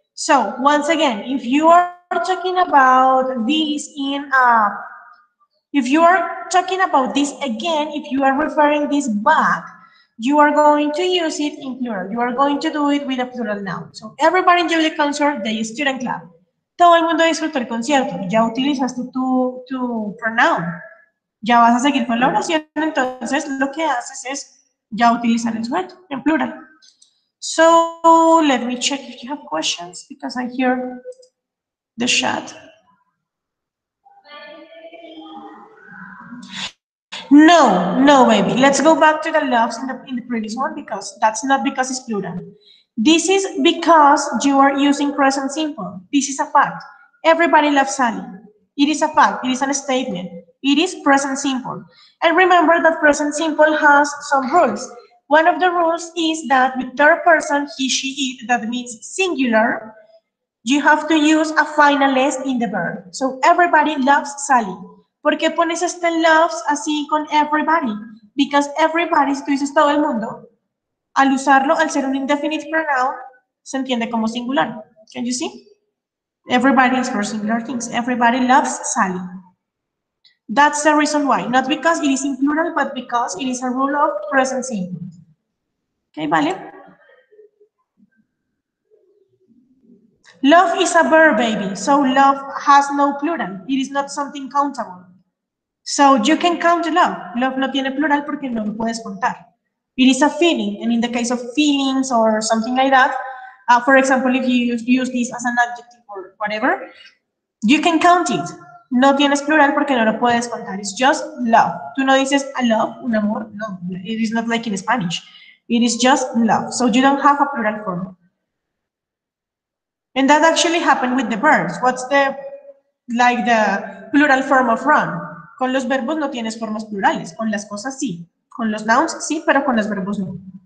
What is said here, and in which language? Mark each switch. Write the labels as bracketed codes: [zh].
[en] So, once again, if you are talking about this in a... If you are talking about this again, if you are referring this back, you are going to use it in plural. You are going to do it with a plural noun. So, everybody enjoyed the concert, the student club. [es] Todo el mundo disfrutó el concierto. Ya utilizaste tu pronoun. Ya vas a seguir con la oración, entonces lo que haces es... Ya utilizar el sujeto en plural. [en] So let me check if you have questions because I hear the chat. No, baby. Let's go back to the loves in the previous one, because that's not because it's plural. This is because you are using present simple. This is a fact. Everybody loves Sally. It is a fact. It is a statement. It is present simple. And remember that present simple has some rules. One of the rules is that with third person, he, she, it, that means singular, you have to use a final S in the verb. So everybody loves Sally. [es] ¿Por qué pones este loves así con everybody? [en] Because everybody, [es] si tú dices todo el mundo, al usarlo, al ser un indefinite pronoun, se entiende como singular. [en] Can you see? Everybody is for singular things. Everybody loves Sally. That's the reason why. Not because it is in plural, but because it is a rule of present simple. Okay, vale. Love is a verb, baby. So love has no plural. It is not something countable. So you can count love. [es] Love no tiene plural porque no lo puedes contar. [en] It is a feeling. And in the case of feelings or something like that, for example, if you use this as an adjective or whatever, you can count it. [es] No tienes plural porque no lo puedes contar. [en] It's just love. [es] Tú no dices [en] a love, [es] un amor. [en] No, it is not like in Spanish. It is just love. So you don't have a plural form. And that actually happened with the verbs. What's the like the plural form of run. [es] Con los verbos no tienes formas plurales, con las cosas sí. Con los nouns sí, pero con los verbos no.